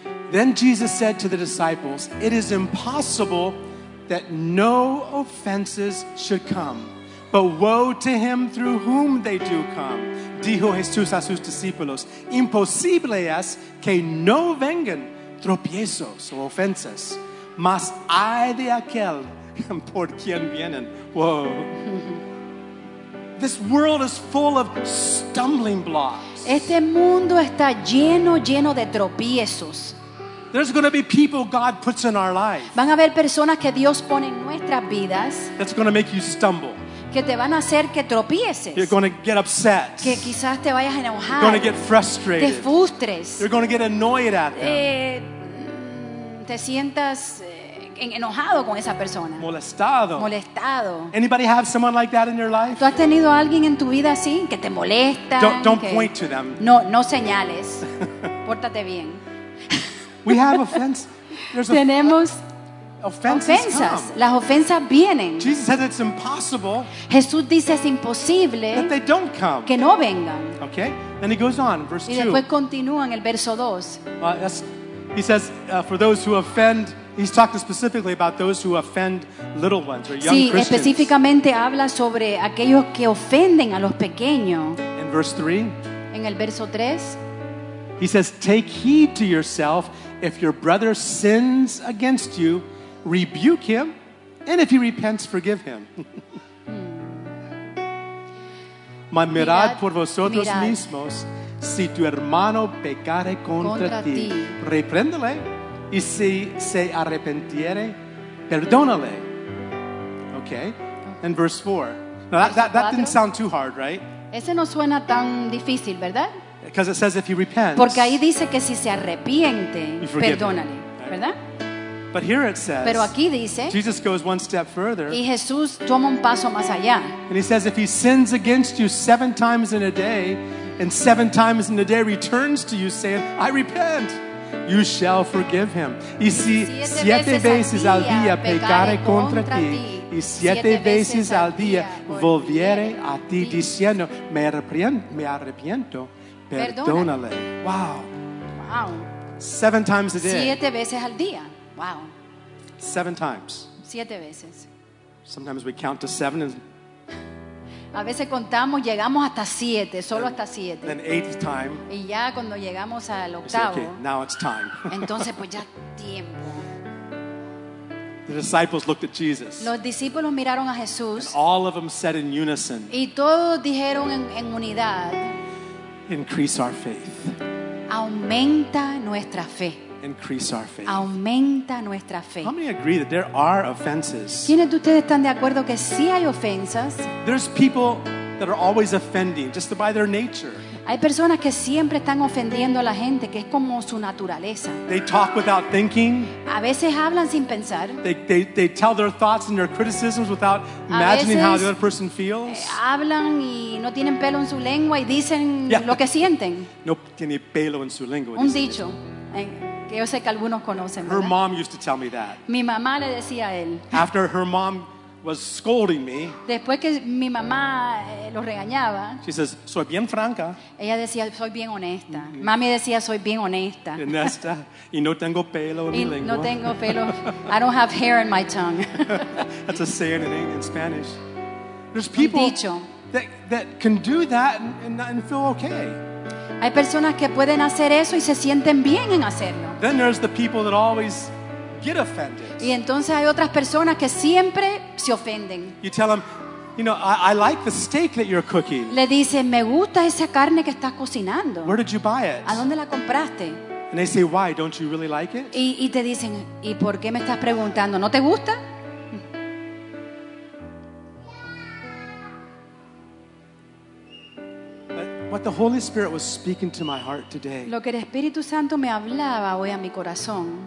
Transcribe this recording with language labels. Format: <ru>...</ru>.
<en>Then Jesus said to the disciples, "It is impossible that no offenses should come, but woe to him through whom they do come."</en> <es>Dijo Jesús a sus discípulos, "Imposible es que no vengan tropiezos o ofensas, mas ay de aquel por quien vienen."</es> <en>Whoa. This world is full of stumbling blocks.</en> <es>Este mundo está lleno de tropiezos.</es> <en>There's going to be people God puts in our life.</en> <es>Van a haber personas que Dios pone en nuestras vidas.</es> <en>That's going to make you stumble.</en> <es>Que te van a hacer que tropieces.</es> <en>You're going to get upset.</en> <es>Que quizás te vayas a enojar.</es> <en>You're going to get frustrated.</en> <es>Te frustres.</es> <en>You're going to get annoyed at them.</en> <es>Te sientas enojado con esa persona. Molestado.</es> <en>Anybody have someone like that in your life?</en> <es>¿Tú has tenido alguien en tu vida así que te molesta?</es> <en>Don't point to them.</en> <es>No señales. Pórtate bien.</es> <en>We have offense.</en> <es>Tenemos ofensas. Las ofensas vienen.</es> <en>Jesus says it's impossible.</en> <es>Jesús dice es imposible</es> <en>that they don't come.</en> <es>Que no vengan.</es> <en>Okay. Then he goes on, verse 2.</en> <es>Y después continúa en el verso 2.</es> <en>He says, for those who offend. He's talking specifically about those who offend little ones or young Christians.</en> <es>Sí, específicamente habla sobre aquellos que ofenden a los pequeños.</es> <en>In verse 3.</en> <es>En el verso 3.</es> <en>He says, take heed to yourself. If your brother sins against you, rebuke him. And if he repents, forgive him.</en> <es>Mas mirad por vosotros mismos. Si tu hermano pecare contra ti, repréndele. Y si se arrepentiere, perdónale. Okay. And verse 4.</es> <en>Now that didn't sound too hard, right?</en> <es>Ese no suena tan difícil, ¿verdad?</es> <en>Because it says if he repents.</en> <es>Porque ahí dice que si se arrepiente, perdónale, ¿verdad?</es> <en>But here it says.</en> <es>Pero aquí dice.</es> <en>Jesus goes one step further.</en> <es>Y Jesús toma un paso más allá.</es> <en>And he says if he sins against you 7 times in a day and 7 times in a day returns to you saying, "I repent." You shall forgive him.</en> <es>Y si siete veces al día pecare contra ti, y siete veces al día volviere a ti diciendo, me arrepiento, perdónale.</es> <en>Wow. Wow. 7 times a day.</en> <es>7 veces al día. Wow.</es> <en>7 times.</en> <es>7 veces.</es> <en>Sometimes we count to 7 and</en> <es>a veces contamos, llegamos hasta 7, solo hasta 7.</es> <en>Then 8th time.</en> <es>Y ya cuando llegamos al octavo.</es> <en>Okay, now it's time.</en> <es>Entonces pues ya tiempo.</es> <en>The disciples looked at Jesus.</en> <es>Los discípulos miraron a Jesús.</es> <en>And all of them said in unison.</en> <es>Y todos dijeron en unidad.</es> <en>Increase our faith.</en> <es>Aumenta nuestra fe.</es> <en>Increase our faith.</en> <es>Aumenta nuestra fe.</es> <en>How many agree that there are offenses?</en> <es>¿Quiénes de ustedes están de acuerdo que sí hay ofensas?</es> <en>There's people that are always offending just by their nature.</en> <es>Hay personas que siempre están ofendiendo a la gente, que es como su naturaleza.</es> <en>They talk without thinking.</en> <es>A veces hablan sin pensar.</es> <en>They tell their thoughts and their criticisms without imagining how the other person feels.</en> <es>Hablan y no tienen pelo en su lengua y dicen lo que sienten. No tiene pelo en su lengua. Un dicho. Que yo sé que algunos conocen,</es> <en>her mom used to tell me that.</en> <es>Mi mamá le decía a él.</es> <en>After her mom was scolding me.</en> <es>Después que mi mamá lo regañaba.</es> <en>She says,</en> <es>soy bien franca. Ella decía, soy bien honesta. Mm-hmm. Mami decía, soy bien honesta. Honesta. Y no tengo pelo en y mi lengua. No tengo pelo.</es> <en>I don't have hair in my tongue. That's a saying in Spanish. There's people that can do that and feel okay.</en> <es>Hay personas que pueden hacer eso y se sienten bien en hacerlo.</es> <en>Then there's the people that always get offended.</en> <es>Y entonces hay otras personas que siempre se ofenden.</es> <en>You tell them, you know, I like the steak that you're cooking.</en> <es>Le dicen, me gusta esa carne que estás cocinando.</es> <en>Where did you buy it?</en> <es>¿A dónde la compraste?</es> <en>And they say, why? Don't you really like it?</en> <es>Y te dicen, ¿y por qué me estás preguntando? ¿No te gusta?</es> <en>What the Holy Spirit was speaking to my heart today.</en> <es>Lo que el Espíritu Santo me hablaba hoy a mi corazón.</es>